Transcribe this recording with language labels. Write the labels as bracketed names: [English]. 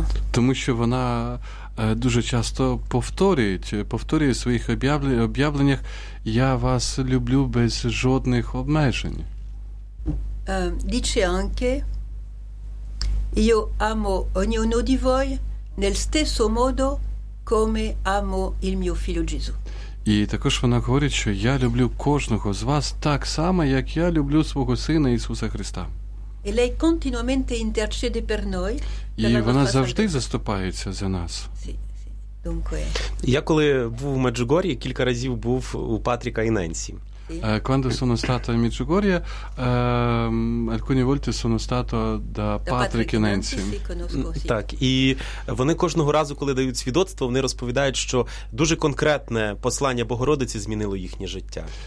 [Ukrainian] Тому що вона дуже часто повторює в своїх об'явленнях «Я вас люблю без жодних обмежень». [Italian] Dice anche «Io amo ognuno di voi nel stesso modo come amo il mio figlio Gesù». [Ukrainian] І також вона говорить, що «Я люблю кожного з вас так само, як я люблю свого Сина Ісуса Христа». [Italian] E lei continuamente intercede per noi. [Ukrainian] І вона завжди заступається за нас. Я коли був у Меджугор'ї, кілька разів був у Патріка і Ненсі. [Italian] Quando sono stato a Međugorje, alcune volte sono stato da Patrick e Nancy. [Ukrainian] Так, і вони кожного разу, коли дають свідоцтво, вони розповідають, що дуже конкретне послання Богородиці змінило їхнє життя.